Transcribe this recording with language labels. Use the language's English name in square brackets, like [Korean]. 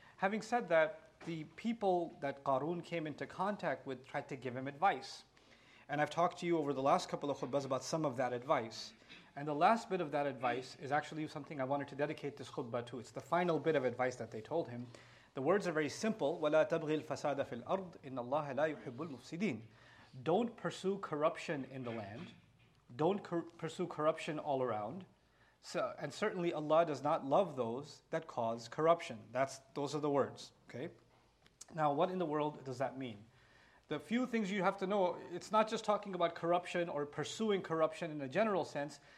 [English] Having said that, the people that Qarun came into contact with tried to give him advice. And I've talked to you over the last couple of khutbahs about some of that advice. And the last bit of that advice is actually something I wanted to dedicate this khutbah to. It's the final bit of advice that they told him. The words are very simple. [Arabic] وَلَا تَبْغِي الْفَسَادَ فِي الْأَرْضِ إِنَّ اللَّهَ لَا يُحِبُّ الْمُفْسِدِينَ [English] Don't pursue corruption in the land. Don't pursue corruption all around. So, and certainly Allah does not love those that cause corruption. Those are the words. Okay. Now, what in the world does that mean? The few things you have to know, it's not just talking about corruption or pursuing corruption in a general sense.